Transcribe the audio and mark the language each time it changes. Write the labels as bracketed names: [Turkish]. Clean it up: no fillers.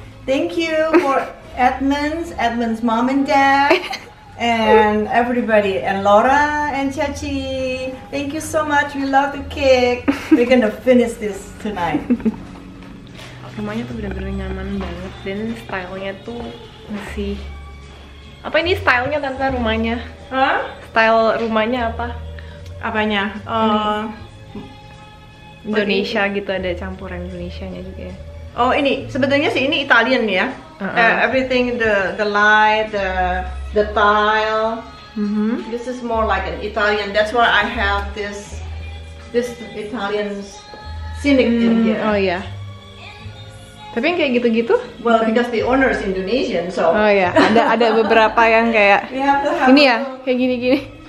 [English] Thank you for Edmund's mom and dad and everybody and Laura and Chachi. Thank you so much. We love the cake. We're gonna finish this tonight. [Indonesian] Rumahnya tuh bener-bener nyaman banget dan stylenya tuh masih apa ini stylenya tante rumahnya? Hah? Style rumahnya apa? Apanya? Indonesia ini. Gitu ada campuran Indonesianya juga ya. Oh ini sebetulnya sih ini Italian ya. [English] Everything the light the tile. This is more like an Italian. That's why I have this Italian scenic in here. [Indonesian] Oh yeah. Tapi yang kayak gitu-gitu? [English] Well, because the owner is Indonesian, so. [Indonesian] Oh ya, yeah. Ada beberapa yang kayak ini ya, kayak gini-gini.